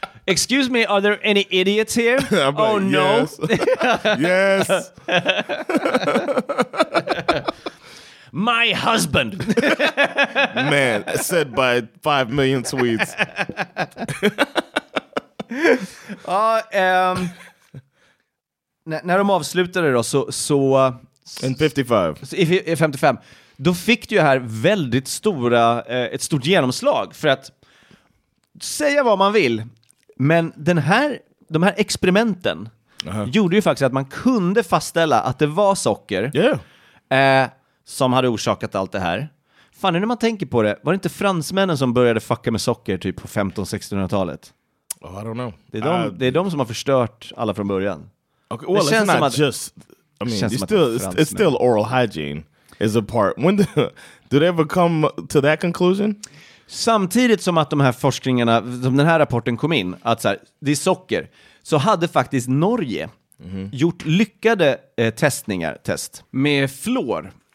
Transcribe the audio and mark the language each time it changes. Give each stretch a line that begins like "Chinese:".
English: Excuse me, are there any idiots here? Oh, like, yes. No. Yes. My husband. Man, said by 5 million Swedes.
Swedish: Ja, när de avslutade då så
English: in 55.
Swedish: I 55 då fick du ju här väldigt stora ett stort genomslag, för att säga vad man vill, men de här experimenten gjorde ju faktiskt att man kunde fastställa att det var socker.
English: Yeah.
Swedish: Som hade orsakat allt det här. Fan, när man tänker på det, var det inte fransmännen som började fucka med socker typ på 1500-1600-talet?
English: Oh, I don't know.
Swedish: Det är de som har förstört alla från början.
English: Okay, well, it's not just, I mean, it's still oral hygiene is a part. Do they ever come to that conclusion?
Swedish: Samtidigt som att de här forskningarna, som den här rapporten kom in, att så här, det är socker, så hade faktiskt Norge gjort lyckade test med fluor.